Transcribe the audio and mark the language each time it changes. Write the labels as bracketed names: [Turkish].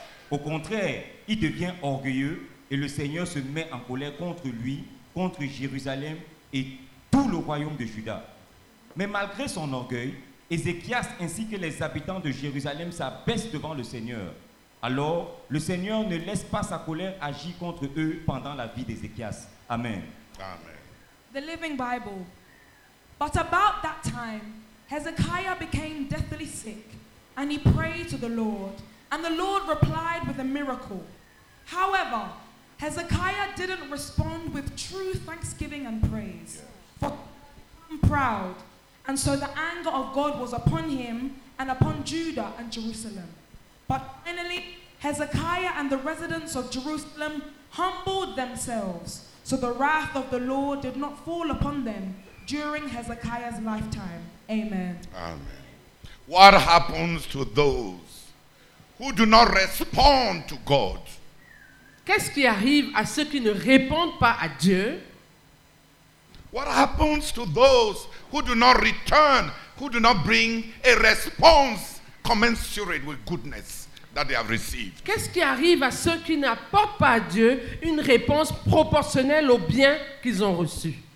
[French] Au contraire, il devient orgueilleux. Et le Seigneur se met en colère contre lui, contre Jérusalem et tout le royaume de Juda. Mais malgré son orgueil, Ézéchias ainsi que les habitants de Jérusalem s'abaissent devant le Seigneur. Alors, le Seigneur ne laisse pas sa colère agir contre eux pendant la vie d'Ézéchias. Amen. Amen. [English] The Living Bible. But about that time, Hezekiah became deathly sick, and he prayed to the Lord, and the Lord replied with a miracle. However, Hezekiah didn't respond with true thanksgiving and praise, for he was proud, and so the anger of God was upon him and upon Judah and Jerusalem. But finally, Hezekiah and the residents of Jerusalem humbled themselves, so the wrath of the Lord did not fall upon them during Hezekiah's lifetime. Amen. Amen. What happens to those who do not respond to God? [French] Qu'est-ce qui arrive à ceux qui ne répondent pas à Dieu? [English] What happens to those who do not return, who do not bring a response commensurate with goodness that they have received? [French] Qu'est-ce qui arrive à ceux qui n'apportent pas à Dieu une réponse proportionnelle au bien qu'ils ont reçu?